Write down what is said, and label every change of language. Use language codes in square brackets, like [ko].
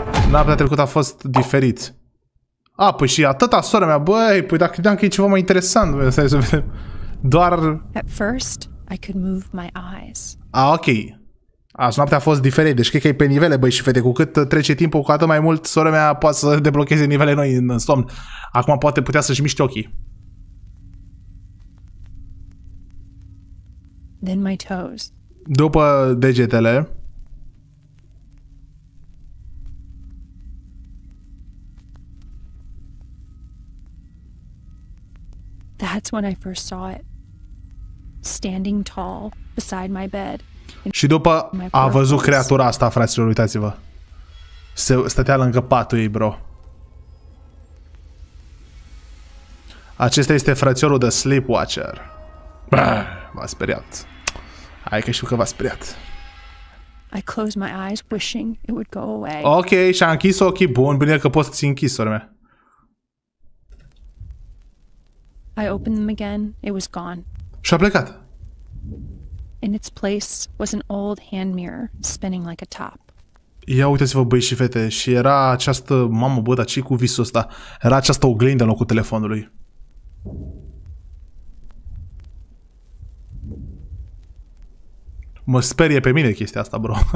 [ro] Noaptea trecută a fost diferit. A, păi și atâta, sora mea, băi, păi dacă credeam că e ceva mai interesant, bă, stai să vedem. Doar... [en] At first, I could move my eyes. [ro] A, ok. Azi noaptea a fost diferit, deci cred că e pe nivele, băi și fete, cu cât trece timpul, cu atât mai mult, sora mea poate să deblocheze nivele noi în somn. Acum poate putea să-și miște ochii. [en] Then my toes. [ro] După degetele. [en] That's when I first saw it. Standing tall beside my bed. [ro] Și după a văzut creatura asta, fraților, uitați-vă. Stătea lângă patul ei, bro. Acesta este frățiorul de Sleepwatcher. M-a speriat. Hai că știu că v-a speriat. [en] I closed my eyes wishing it would go away. [ro] Ok, și-a închis ochii, bun, bine că poți să-ți închizi, sora mea. [en] I opened them again. It was gone. [ro] Și-a plecat. [en] In its place was an old hand mirror spinning like a top. [ro] Ia uitați-vă, băi și fete, și era această, mamă, bă, dar ce-i cu visul ăsta? Era această oglindă în locul telefonului. Mă sperie pe mine chestia asta, bro.